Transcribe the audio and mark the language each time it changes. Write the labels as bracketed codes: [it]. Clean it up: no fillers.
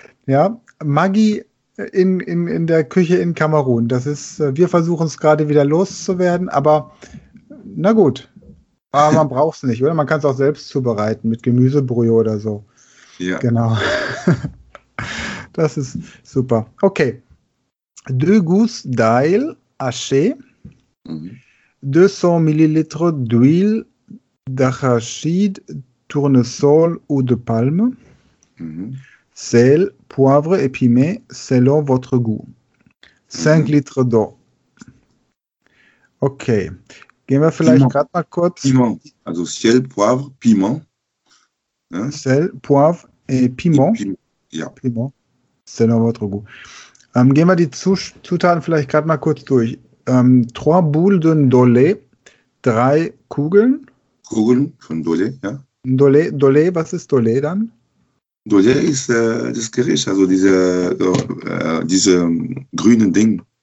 [de] Ja, Maggi in der Küche in Kamerun. Das ist, wir versuchen es gerade wieder loszuwerden, aber na gut. Aber man braucht es nicht, oder? Man kann es auch selbst zubereiten mit Gemüsebrühe oder so. Ja. Genau. Das ist super. Okay. [fr] Deux gousses d'ail hachées, 200 ml d'huile d'arachide, tournesol ou de palme, sel, poivre et piment selon votre goût. 5 litres d'eau. [de] Okay, gehen wir vielleicht gerade mal kurz. [fr] Piment, also sel, poivre, piment. Sel, poivre et piment. [de] Ja. [fr] Piment selon votre goût. [de] Gehen wir die Zutaten vielleicht gerade mal kurz durch. [fr] 3 boules de ndolé, [de] 3 Kugeln. Kugeln von Ndolé, ja. Ndolé, was ist Ndolé dann? Ndolé ist das Gericht, also diese grünen Ding.